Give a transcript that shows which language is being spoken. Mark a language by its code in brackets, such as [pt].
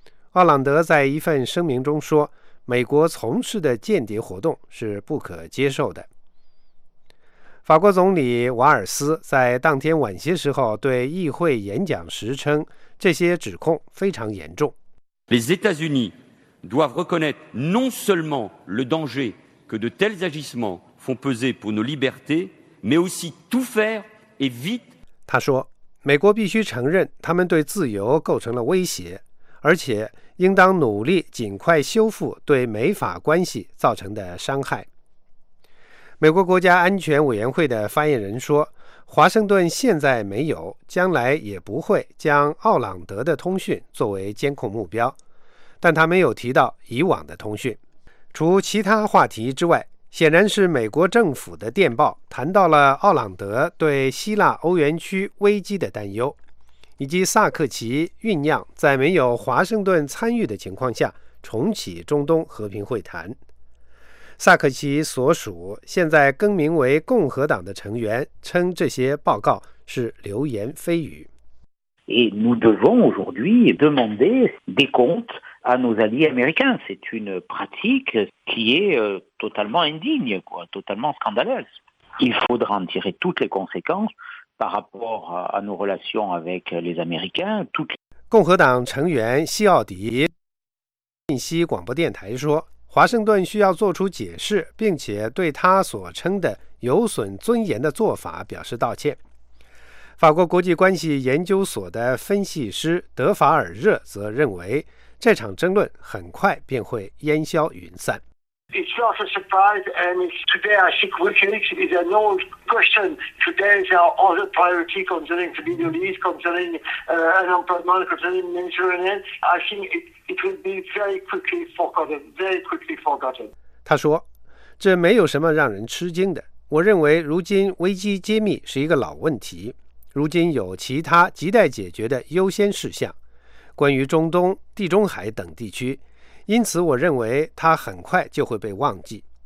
[zh] 奥朗德在一份声明中说，美国从事的间谍活动是不可接受的。法国总理瓦尔斯在当天晚些时候对议会演讲时称，这些指控非常严重。 [fr] Les États-Unis doivent reconnaître non seulement le danger que de tels agissements font peser pour nos libertés, mais aussi tout faire et vite. [zh] 他说，美国必须承认他们对自由构成了威胁，而且应当努力尽快修复对美法关系造成的伤害。美国国家安全委员会的发言人说，华盛顿现在没有，将来也不会将奥朗德的通讯作为监控目标，但他没有提到以往的通讯。除其他话题之外，显然是美国政府的电报谈到了奥朗德对希腊欧元区危机的担忧，以及萨克奇酝酿在没有华盛顿参与的情况下重启中东和平会谈。萨克奇所属现在更名为共和党的成员称这些报告是流言蜚语。 [fr] Et nous devons aujourd'hui demander des comptes à nos alliés américains. C'est une pratique qui est totalement indigne, quoi, totalement scandaleuse. Il faudra en tirer toutes les conséquences par rapport à nos relations avec les Américains. [zh] 共和党成员西奥迪信息广播电台说，华盛顿需要做出解释，并且对他所称的有损尊严的做法表示道歉。法国国际关系研究所的分析师德法尔热则认为，这场争论很快便会烟消云散。 [en] It's not a surprise, and today I think WikiLeaks is a known question. Today there are other priorities concerning the Middle East, concerning unemployment, concerning Mediterranean. I think it will be very quickly forgotten, very quickly forgotten. [zh] 他说，这没有什么让人吃惊的。我认为如今危机揭秘是一个老问题，如今有其他亟待解决的优先事项，关于中东、地中海等地区，因此我认为它很快就会被忘记。